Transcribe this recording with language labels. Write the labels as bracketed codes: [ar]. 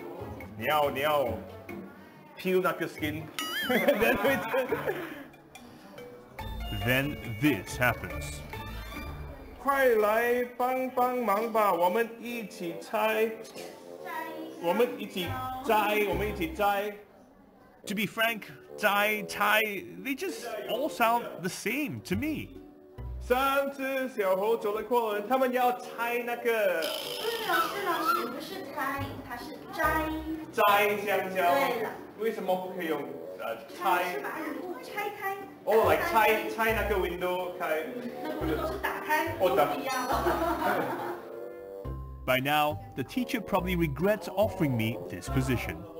[zh] 我跟你讲故事，谁知道这个是什么？这一个猴子，哦，是香蕉。你喜欢吃香蕉吗？谁喜欢吃香蕉？你要peel那个 skin，然后吃。 [en] Then this happens. [zh] 快来帮帮忙吧，我们一起猜。 [en] To be frank, zai, tai, they just all sound the same to me. [zh] 三只小猴走了过来，他们要拆那个。不是老师，不是拆，它是摘。摘香蕉。对了。为什么不可以用拆？是把那个布拆开。 [en] Oh, like tie [zh] 那个 [en] window [zh] 开。那不就是打开？哦，打开。 [en] By now, the teacher probably regrets offering me this position.